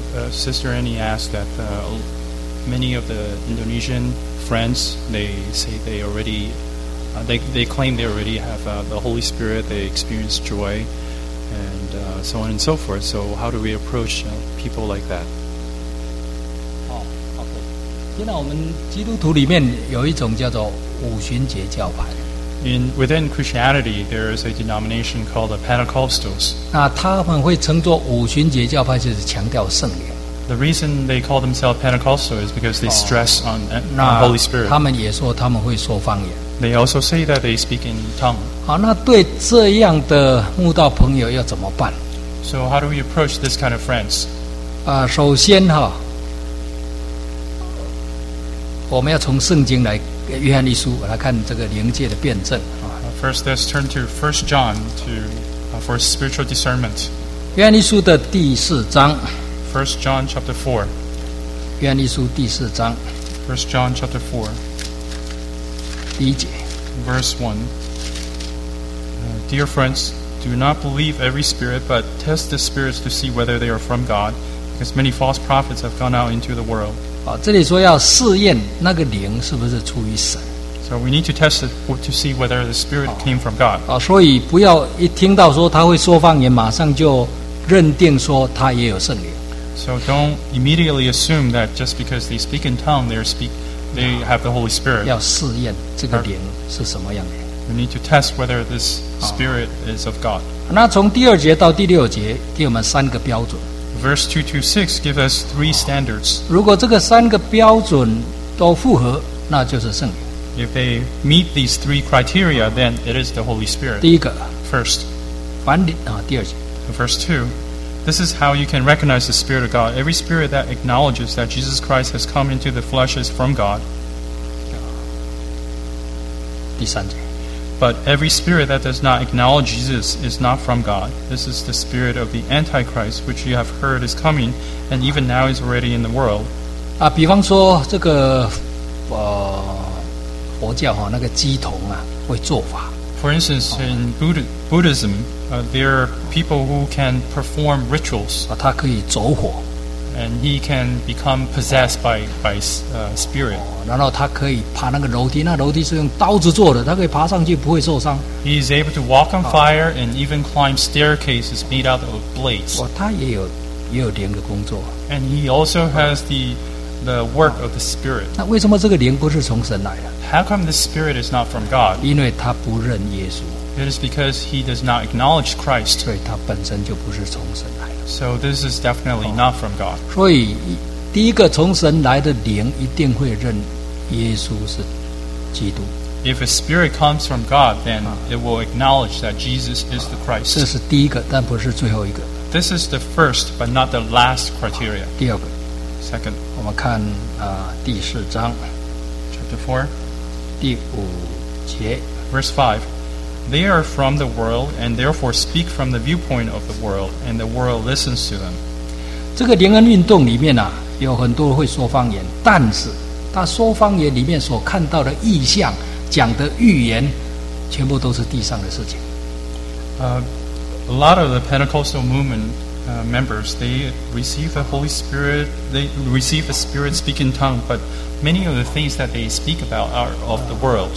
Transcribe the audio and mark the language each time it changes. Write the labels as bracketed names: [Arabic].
[English] Sister Annie asked that many of the Indonesian friends, they say they already, they claim they already have the Holy Spirit, they experience joy, and so on and so forth. So how do we approach people like that? Within Christianity, there is a denomination called the Pentecostals. [Chinese] 那他们会称作五旬节教派，就是强调圣灵。 [English] The reason they call themselves Pentecostal is because they stress on Holy Spirit. [Chinese] 他们也说他们会说方言。 [English] They also say that they speak in tongues. [Chinese] 好，那对这样的慕道朋友要怎么办？ [English] So how do we approach this kind of friends? [Chinese] 首先我们要从圣经来，约翰一书来看这个灵界的辩证。 [English] First, let's turn to 1 John for spiritual discernment. [Chinese] 约翰一书的第四章。 [English] First John chapter 4. [Chinese] 约翰一书第四章。 [English] First John chapter 4. [Chinese] 第一节。 [English] Verse 1. Dear friends, do not believe every spirit, but test the spirits to see whether they are from God, because many false prophets have gone out into the world. [Chinese] 这里说要试验那个灵是不是出于神。 [English] So we need to test it to see whether the spirit came from God. [Chinese] 所以不要一听到说他会说方言，马上就认定说他也有圣灵。 [English] So don't immediately assume that just because they speak in tongues, they have the Holy Spirit. [Chinese] 要试验这个灵是什么样的。 [English] We need to test whether this spirit is of God. [Chinese] 那从第二节到第六节给我们三个标准。 [English] Verse 2 to 6 give us three standards. [Chinese] 如果这个三个标准都符合，那就是圣灵。 [English] If they meet these three criteria, then it is the Holy Spirit. [Chinese] 第一个。 [English] First. [Chinese] 第二节。 [English] Verse 2. This is how you can recognize the Spirit of God. Every spirit that acknowledges that Jesus Christ has come into the flesh is from God. [Chinese] 第三节。 [English] But every spirit that does not acknowledge Jesus is not from God. This is the spirit of the Antichrist, which you have heard is coming, and even now is already in the world. [Chinese] 比方说这个佛教那个鸡童会做法。 [English] For instance, in Buddhism, there are people who can perform rituals. [Chinese] 他可以走火。 [English] And he can become possessed by spirit. [Chinese] 然后他可以爬那个楼梯，那楼梯是用刀子做的，他可以爬上去不会受伤。 [English] He is able to walk on fire and even climb staircases made out of blades. [Chinese] 他也有灵的工作。 [English] And he also has the work of the spirit. [Chinese] 那为什么这个灵不是从神来的？ [English] How come this spirit is not from God? [Chinese] 因为他不认耶稣。 [English] It is because he does not acknowledge Christ. [Chinese] 所以他本身就不是从神来的。 [English] So this is definitely not from God. [Chinese] 所以第一个从神来的灵一定会认耶稣是基督。 [English] If a spirit comes from God, then it will acknowledge that Jesus is the Christ. [Chinese] 这是第一个，但不是最后一个。 [English] This is the first, but not the last criteria. [Chinese] 第二个。 [English] Second. [Chinese] 我们看第四章。 [English] Chapter 4. [Chinese] 第五节 [English] Verse 5 They are from the world and therefore speak from the viewpoint of the world and the world listens to them. [Chinese] 这个灵恩运动里面有很多会说方言，但是他说方言里面所看到的意象讲的预言全部都是地上的事情。 [English] A lot of the Pentecostal movementmembers, they receive the Holy Spirit, they receive a spirit speaking tongue, but many of the things that they speak about are of the world.